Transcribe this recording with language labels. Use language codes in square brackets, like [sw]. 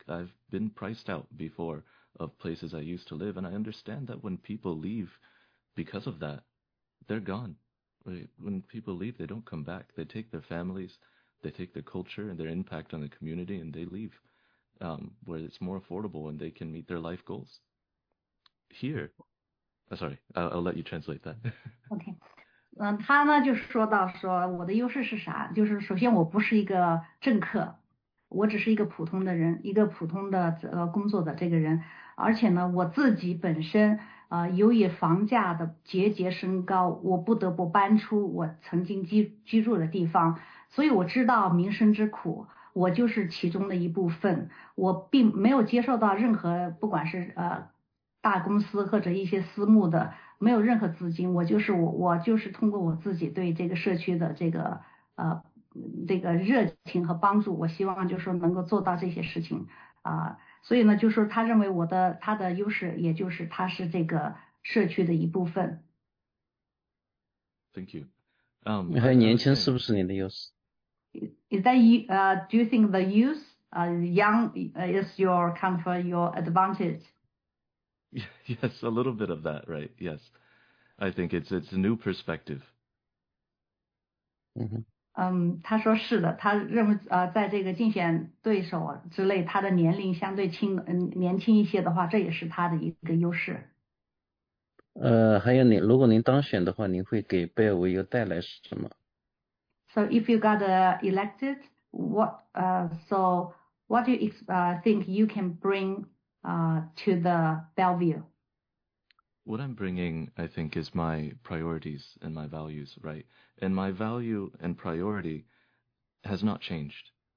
[en] I've been priced out before of places I used to live, and I understand that when people leave because of that, they're gone. Right? When people leave, they don't come back. They take their families, they take their culture and their impact on the community, and they leave where it's more affordable and they can meet their life goals. Here, sorry, I'll let you translate that. Okay. [zh] 他呢就是说到说我的优势是啥，就是首先我不是一个政客，我只是一个普通的人，一个普通的工作的这个人，而且呢我自己本身由于房价的节节升高，我不得不搬出我曾经居住的地方，所以我知道民生之苦，我就是其中的一部分，我并没有接受到任何不管是大公司或者一些私募的，没有任何资金，我就是通过我自己对这个社区的这个热情和帮助，我希望就是说能够做到这些事情啊。所以呢就是他认为他的优势也就是他是这个社区的一部分。 [en] Thank you。 [zh] 你还年轻是不是你的优势？ [en] Is that you, do you think the youth young is your kind of your advantage? Yes, a little bit of that, right? Yes, I think it's a new perspective. [zh] 他说是的，他认为在这个竞选对手之类，他的年龄相对年轻一些的话，这也是他的一个优势。还有您，如果您当选的话，您会给贝尔维尤带来什么 [en] ？So if you got elected, what do you think you can bring to the Bellevue? What I'm bringing, I think, is my priorities and my values, right? And my value and priority has not changed.